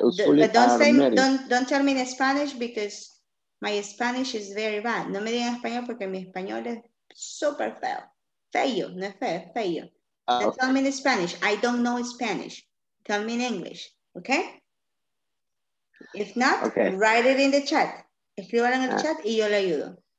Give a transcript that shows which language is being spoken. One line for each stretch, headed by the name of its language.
English: Don't tell me in Spanish because my Spanish is very bad.
Spanish: No me digan español porque mi español es super feo. Feo, no es feo, feo.
English: Okay. Tell me in Spanish. I don't know Spanish. Tell me in English, okay? If not, okay, write it in the chat.
Spanish: Escríbalo en el chat y yo le ayudo.